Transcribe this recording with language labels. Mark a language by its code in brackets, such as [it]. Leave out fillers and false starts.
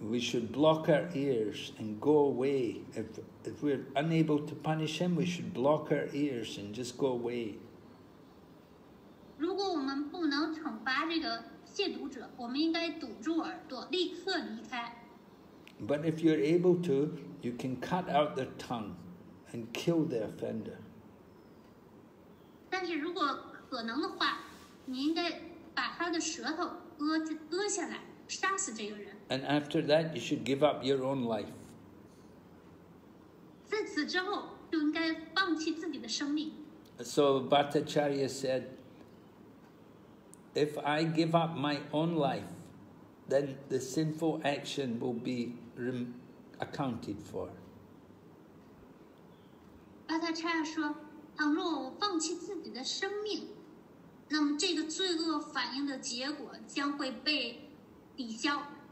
[en] We should block our ears and go away. If we're unable to punish him, we should block our ears and just go away. [zh] 如果我们不能惩罚这个亵渎者，我们应该堵住耳朵，立刻离开。 [en] But if you're able to, you can cut out their tongue and kill the offender. [zh] 但是如果可能的话，你应该把他的舌头割下来，杀死这个人。 [en] And after that, you should give up your own life. [zh] 在此之后，就应该放弃自己的生命。 [en] So Bhattacharya said, if I give up my own life, then the sinful action will be accounted for. [zh] Bhattacharya 说，倘若我放弃自己的生命，那么这个罪恶反应的结果将会被抵消。